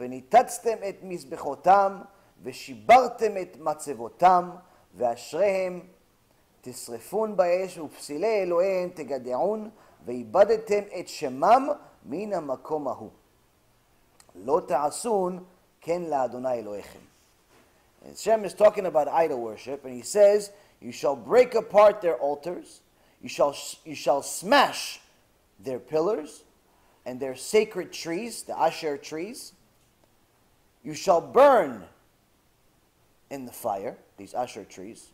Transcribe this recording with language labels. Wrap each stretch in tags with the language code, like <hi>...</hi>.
<he>Venitatztem et mizbechotam, veshibartem et matzevotam, veashrehem, tisrefun ba'esh u'psile Elohim tegadeun, ואיבדתם את שמם מן המקום ההוא. לא תעשון כן לאדוני אלוהיכם.</he> <en>Hashem is talking about idol worship, and he says, you shall break apart their altars, you shall smash their pillars, and their sacred trees, the Asher trees. You shall burn in the fire, these Asher trees.</en>